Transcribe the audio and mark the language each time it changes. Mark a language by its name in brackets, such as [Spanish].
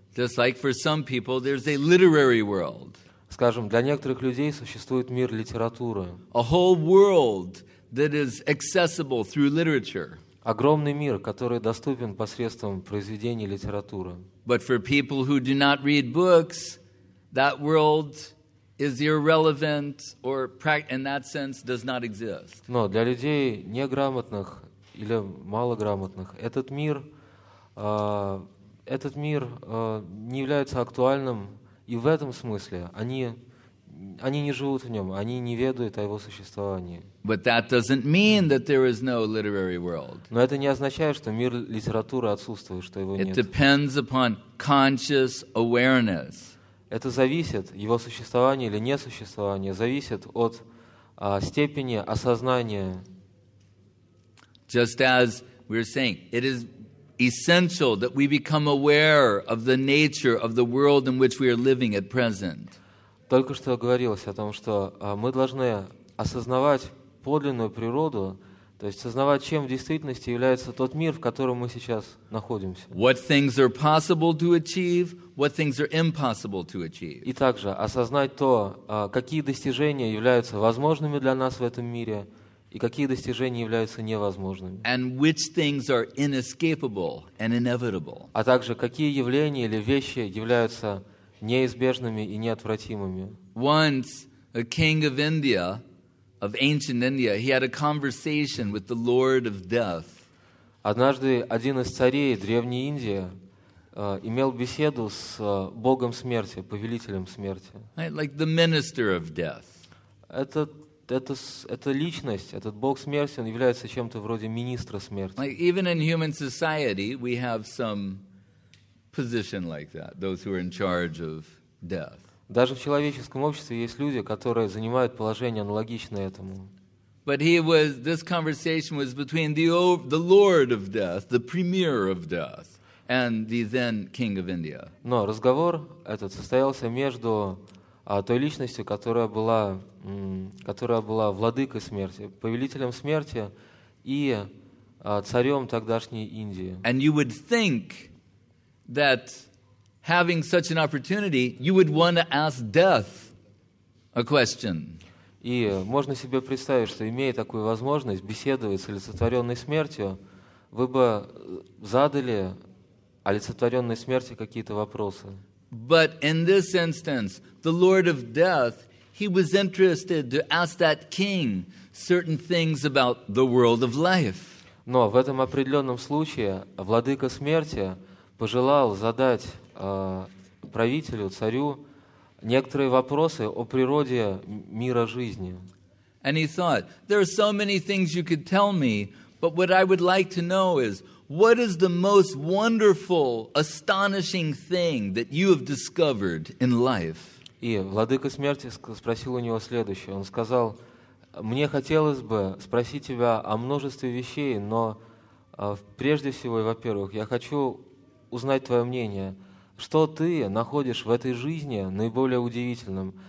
[English] Just like for some people, there's a literary world. [Russian] Скажем, для некоторых людей существует мир литературы. [English] A whole world that is accessible through literature. [Russian] Огромный мир, который доступен посредством произведений литературы. [English] But for people who do not read books, that world is irrelevant or in that sense does not exist. [Russian] Но для людей неграмотных или малограмотных этот мир не является актуальным, и в этом смысле они не живут в нем, они не ведают о его существовании. [English] But that doesn't mean that there is no literary world. [Russian] Но это не означает, что мир литературы отсутствует, что его нет. [English] It depends upon conscious awareness. [Russian] Это зависит, его существование или несуществование, зависит от степени осознания. [English] Just as we were saying, it is essential that we become aware of the nature of the world in which we are living at present. [Russian] Только что говорилось о том, что мы должны осознавать подлинную природу, то есть осознавать, чем в действительности является тот мир, в котором мы сейчас находимся. [English] What things are possible to achieve, what things are impossible to achieve. [Russian] И также осознать то, какие достижения являются возможными для нас в этом мире и какие достижения являются невозможными. [English] And which things are inescapable and inevitable. [Russian] А также какие явления или вещи являются неизбежными и неотвратимыми. [English] Once a king of India, of ancient India, he had a conversation with the Lord of Death. [Russian] Однажды один из царей древней Индии имел беседу с богом смерти, повелителем смерти. [English] Right, like the minister of death. [Russian] Это личность, этот бог смерти, он является чем-то вроде министра смерти. [English] Like, even in human society, we have some position like that, those who are in charge of death. [Russian] Даже в человеческом обществе есть люди, которые занимают положение аналогичное этому. [English] But this conversation was between the lord of death, the premier of death, and the then king of India. [Russian] Но разговор этот состоялся между той личностью, которая была владыкой смерти, повелителем смерти и царем тогдашней Индии. [English] And you would think that having such an opportunity, you would want to ask death a question. [Russian] И можно себе представить, что имея такую возможность беседовать с олицетворенной смертью, вы бы задали олицетворенной смерти какие-то вопросы. [English] But in this instance, the Lord of Death, he was interested to ask that king certain things about the world of life. [Russian] Но в этом определенном случае владыка смерти пожелал задать правителю, царю, некоторые вопросы о природе мира жизни. [English] And he thought, there are so many things you could tell me, but what I would like to know is, what is the most wonderful, astonishing thing that you have discovered in life? [Russian] И владыка смерти спросил у него следующее. Он сказал, мне хотелось бы спросить тебя о множестве вещей, но прежде всего и во-первых, я хочу узнать твое мнение. Что ты находишь в этой жизни наиболее удивительным?